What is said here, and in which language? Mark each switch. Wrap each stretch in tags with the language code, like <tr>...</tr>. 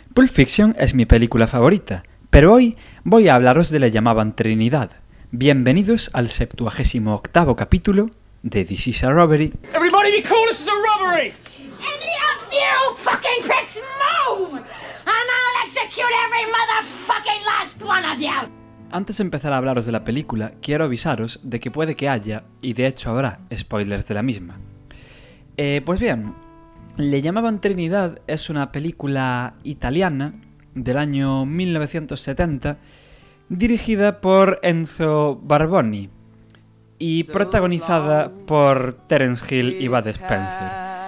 <es>Pulp Fiction es mi película favorita, pero hoy voy a hablaros de La llamaban Trinidad. Bienvenidos al 78º capítulo de This is a Robbery.</es> <en>Everybody be cool, this is a robbery! Any of you fucking pricks move! And I'll execute every motherfucking last one of you!</en> <es>Antes de empezar a hablaros de la película, quiero avisaros de que puede que haya, y de hecho habrá, spoilers de la misma. Pues bien, Le llamaban Trinidad es una película italiana del año 1970 dirigida por Enzo Barboni y protagonizada por Terence Hill y Bud Spencer.</es>